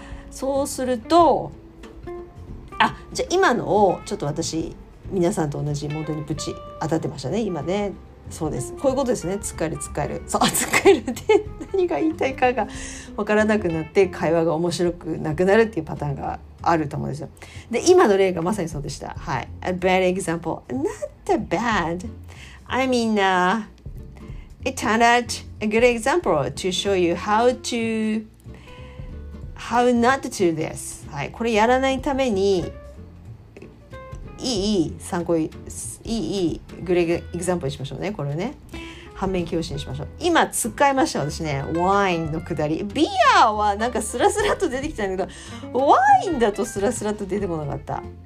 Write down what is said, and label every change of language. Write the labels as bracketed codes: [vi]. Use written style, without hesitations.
[ja] そうすると、あ、じゃあ今のをちょっと私皆さんと同じモードにぶち当たってましたね今ね。そうです、こういうことですね。疲れ疲れ、そう疲れて何が言いたいかが分からなくなって会話が面白くなくなるっていうパターンがあると思うんですよ。で今の例がまさにそうでした。 [en] はい、 A bad example. Not that bad. I mean、it turned out a good example to show you how not to do this. [ja] はい、これやらないためにいい参考、いいグレーエグザンプルにしましょうね。これね、反面教師にしましょう。今使いました私ね、ワインのくだり。ビアはなんかスラスラと出てきたんだけど、ワインだとスラスラと出てこなかった。